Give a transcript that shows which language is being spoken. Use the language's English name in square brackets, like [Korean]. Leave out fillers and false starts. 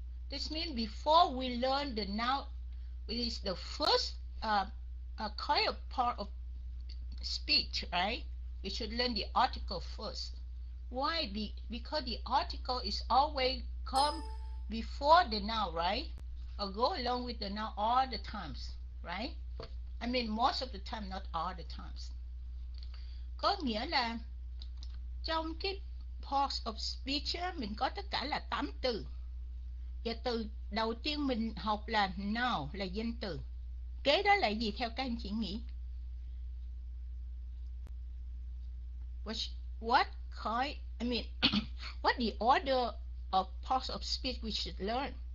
[English] This means before we learn the noun, it is the first quiet part of speech, right? We should learn the article first. Why? Because the article is always come before the noun, right? Or go along with the noun all the times, right? I mean most of the time, not all the times. [Vietnamese] Có nghĩa là trong cái parts of speech mình có tất cả là 8 từ. Và từ đầu tiên mình học là noun, là danh từ. Kế đó là gì theo các anh chị nghĩ? [English] What kind, I mean, what the order of parts of speech we should learn?